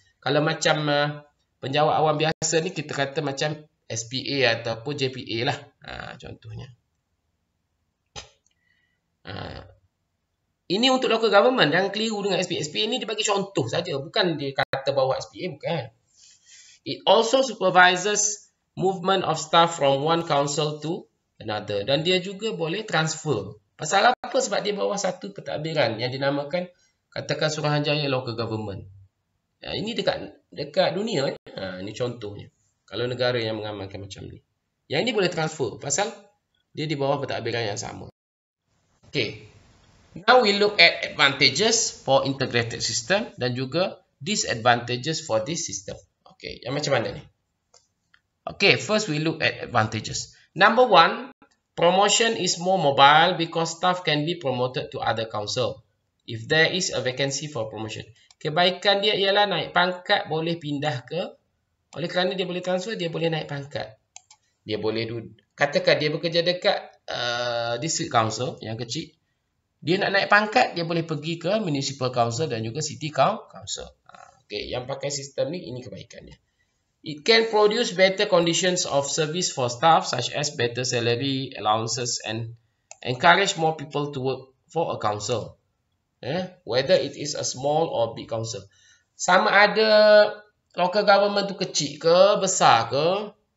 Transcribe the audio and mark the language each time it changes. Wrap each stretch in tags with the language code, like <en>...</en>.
<ms>Kalau macam penjawat awam biasa ni, kita kata macam SPA ataupun JPA lah contohnya. Ini untuk local government yang keliru dengan SPA. SPA ni dia bagi contoh saja, bukan dia kata bawa SPA, bukan.</ms> <en>It also supervises movement of staff from one council to another.</en> <ms>Dan dia juga boleh transfer. Pasal apa? Sebab dia bawah satu pentadbiran yang dinamakan, katakan suruhanjaya local government. Ya, ini dekat dunia. Ini contohnya. Kalau negara yang mengamalkan macam ni. Yang ini boleh transfer. Pasal dia di bawah pentadbiran yang sama. Okay.</ms> <en>Now we look at advantages for integrated system</en> <ms>dan juga</ms> <en>disadvantages for this system.</en> <ms>Okay, yang macam mana ni?</ms> <en>Okay, first we look at advantages. Number one, promotion is more mobile because staff can be promoted to other council if there is a vacancy for promotion.</en> <ms>Kebaikan dia ialah naik pangkat boleh pindah ke. Oleh kerana dia boleh transfer, dia boleh naik pangkat. Dia boleh katakan dia bekerja dekat district council yang kecil. Dia nak naik pangkat, dia boleh pergi ke municipal council dan juga city council. Okay, yang pakai sistem ni, ini kebaikannya.</ms> <en>It can produce better conditions of service for staff such as better salary, allowances and encourage more people to work for a council. Whether it is a small or big council.</en> <ms>Sama ada local government tu kecil ke, besar ke,</ms>